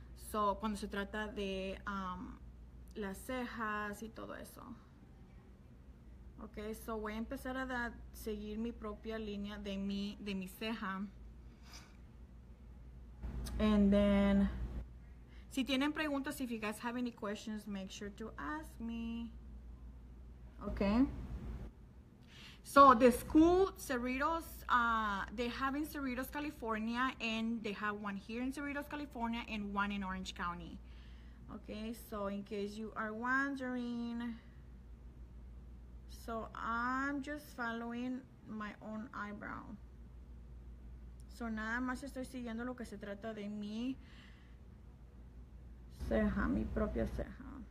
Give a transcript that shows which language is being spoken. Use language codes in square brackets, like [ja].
[es] So, cuando se trata de las cejas y todo eso. Ok, so voy a empezar a seguir mi propia línea de mi ceja. [en] And then, [es] si tienen preguntas, [en] if you guys have any questions, make sure to ask me. Ok. So, the school, Cerritos, they have in Cerritos, California, and they have one here in Cerritos, California, and one in Orange County. Okay, so in case you are wondering, so I'm just following my own eyebrow. [es] So, nada más estoy siguiendo lo que se trata de mi ceja, mi propia ceja.